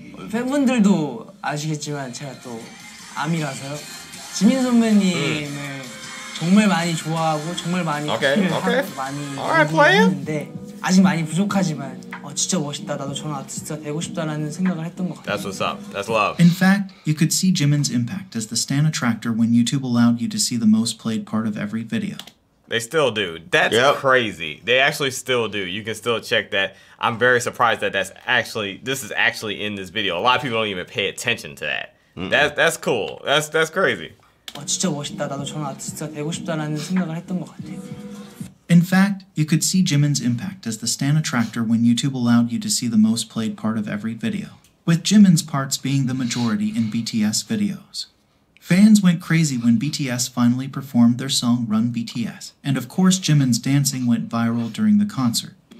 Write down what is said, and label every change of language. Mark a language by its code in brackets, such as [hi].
[ko] 팬분들도 아시겠지만 제가 또 아미라서요. 지민 선배님을 정말 많이 좋아하고 정말 많이 기대를 [en] okay, okay. [ko] 하고 많이 했는데 아직 많이 부족하지만 진짜 멋있다. 나도 저런 아티스트가 되고 싶다라는 생각을 했던 것 같아요. [en] That's what's up. That's love. In fact, you could see Jimin's impact as the stan attractor when YouTube allowed you to see the most played part of every video. They still do. That's yep. crazy. They actually still do. You can still check that. I'm very surprised that this is actually in this video. A lot of people don't even pay attention to that. Mm-mm. That's cool. That's crazy. [ko] 진짜 멋있다. 나도 저런 아티스트가 되고 싶다라는 생각을 했던 것 같아요. [en] In fact, you could see Jimin's impact as the stan attractor when YouTube allowed you to see the most played part of every video, with Jimin's parts being the majority in BTS videos. Fans went crazy when BTS finally performed their song Run BTS, and of course Jimin's dancing went viral during the concert.